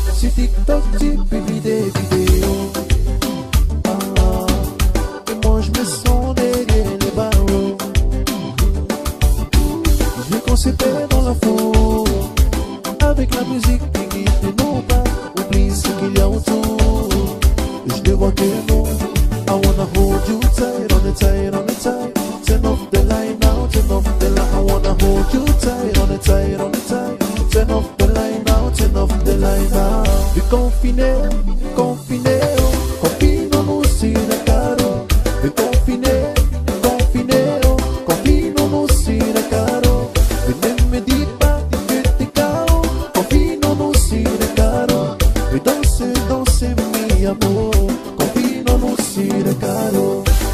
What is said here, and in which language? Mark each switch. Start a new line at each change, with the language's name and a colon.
French: Sur TikTok tu publies des vidéos. Ah, et moi je me sens derrière les barreaux. Je veux qu'on se perde dans la foule avec la musique qui guide nos pas. Ce qu'il y a autour, je ne vois que nous.
English: I wanna hold you tight, on the tight, on the tight. Turn off the light now, turn off the light. I wanna hold you tight, on the tight, on the tight. Turn off the light now, turn off the light now.
French: Vu confiné, confiné, oh. Confinons-nous sur le carreau. Vu confiné, confiné, oh. Confinons-nous sur le carreau. Vu ne me dis pas que t'es KO. Confinons-nous sur le carreau. Et danser, danser, mi amour, confinons-nous sur le carreau.